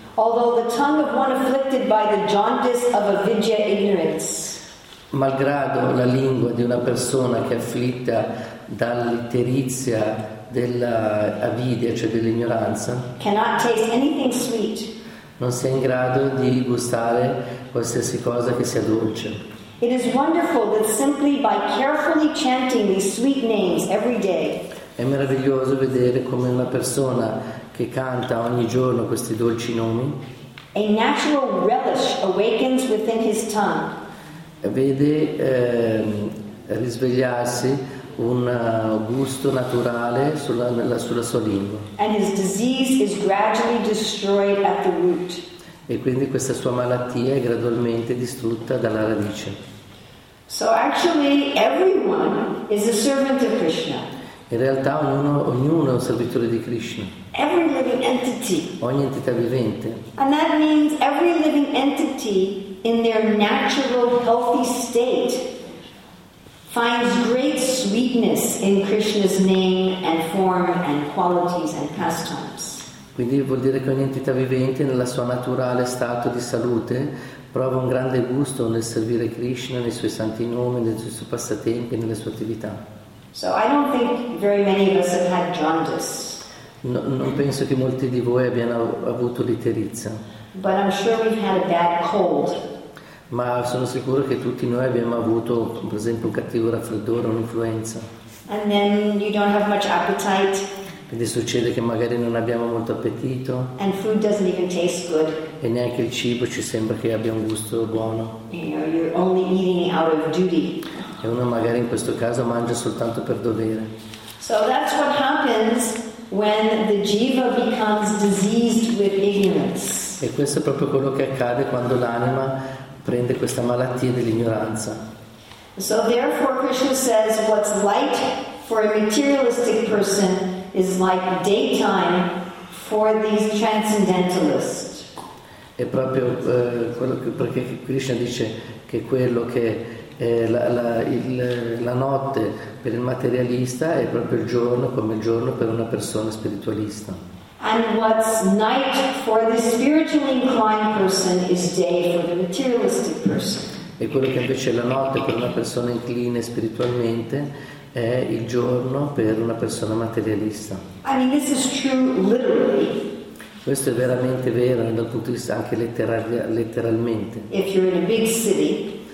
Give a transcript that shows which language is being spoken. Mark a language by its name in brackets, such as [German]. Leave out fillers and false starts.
[English] Although the tongue of one afflicted by the jaundice of avidya ignorance, [Italian] malgrado la lingua di una persona che è afflitta dall'itterizia della avidia, cioè dell'ignoranza, [English] cannot taste anything sweet. [Italian] Non si è in grado di gustare qualsiasi cosa che sia dolce. [English] It is wonderful that simply by carefully chanting these sweet names every day, [Italian] è meraviglioso vedere come una persona che canta ogni giorno questi dolci nomi, [English] a natural relish awakens within his tongue. [Italian] Vede risvegliarsi un gusto naturale sulla sua lingua. [English] And his disease is gradually destroyed at the root. [Italian] E quindi questa sua malattia è gradualmente distrutta dalla radice. [English] So actually everyone is a servant of Krishna. [Italian] In realtà ognuno è un servitore di Krishna. [English] Every living entity. [Italian] Ogni entità vivente. [English] And that means every living entity in their natural healthy state finds great sweetness in Krishna's name and form and qualities and pastimes. [Italian] Quindi vuol dire che ogni entità vivente nella sua naturale stato di salute prova un grande gusto nel servire Krishna, nei suoi santi nomi, nei suoi passatempi, nelle sue attività. [English] So I don't think very many of us have had jaundice. [Italian] Non penso che molti di voi abbiano avuto l'itterizia. [English] But I'm sure we've had a bad cold. [Italian] Ma sono sicuro che tutti noi abbiamo avuto, per esempio, un cattivo raffreddore, un'influenza. [English] And then you don't have much appetite. [Italian] Quindi succede che magari non abbiamo molto appetito. [English] And food doesn't even taste good. [Italian] E neanche il cibo ci sembra che abbia un gusto buono. [English] You know, you're only eating out of duty. [Italian] E uno magari in questo caso mangia soltanto per dovere. [English] So that's what happens when the jiva becomes diseased with ignorance. [Italian] E questo è proprio quello che accade quando l'anima prende questa malattia dell'ignoranza. [English] So therefore Krishna says what's light for a materialistic person is like daytime for these transcendentalists. [Italian] È proprio quello che, perché Krishna dice che quello che la notte per il materialista è proprio il giorno come il giorno per una persona spiritualista. [English] And what's night for the spiritually inclined person is day for the materialistic person. [Italian] E quello che invece è la notte per una persona incline spiritualmente è il giorno per una persona materialista. [English] I mean, this is true literally. [Italian] Questo è veramente vero dal punto di vista anche letteralmente. [English] If you're in a big city,